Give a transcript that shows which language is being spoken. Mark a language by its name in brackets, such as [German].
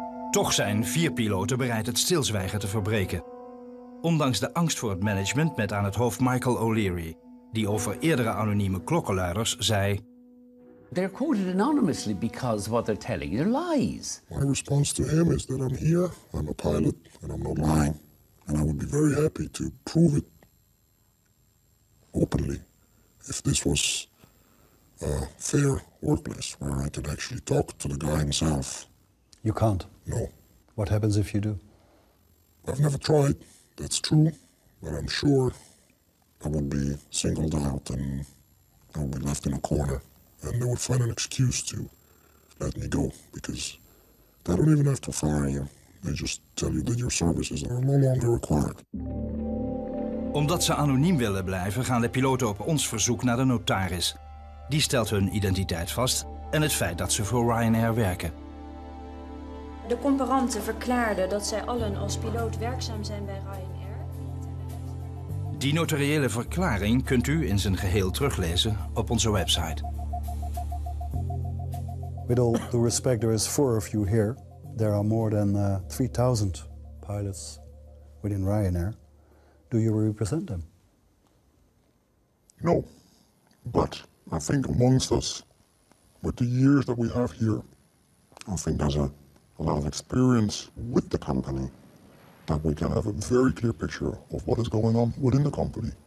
[Dutch] Toch zijn vier piloten bereid het stilzwijgen te verbreken. Ondanks de angst voor het management met aan het hoofd Michael O'Leary, die over eerdere anonieme klokkenluiders zei: [English] They're quoted anonymously because what they're telling you are lies. My response to him is that I'm here, I'm a pilot, and I'm not lying. And I would be very happy to prove it openly if this was a fair workplace where I could actually talk to the guy himself. You can't? No. What happens if you do? I've never tried, that's true, but I'm sure I would be singled out and I would be left in a corner. And they would find an excuse to let me go, because they don't even have to fire you. They just tell you that your services are no longer required. [Dutch] Omdat ze anoniem willen blijven, gaan de piloten op ons verzoek naar de notaris. Die stelt hun identiteit vast en het feit dat ze voor Ryanair werken. De comparanten verklaarden dat zij allen als piloot werkzaam zijn bij Ryanair. Die notariële verklaring kunt u in zijn geheel teruglezen op onze website. [English] With all due respect, there is four of you here. There are more than 3,000 pilots within Ryanair. Do you represent them? No, but I think amongst us, with the years that we have here, I think there's a lot of experience with the company that we can have a very clear picture of what is going on within the company.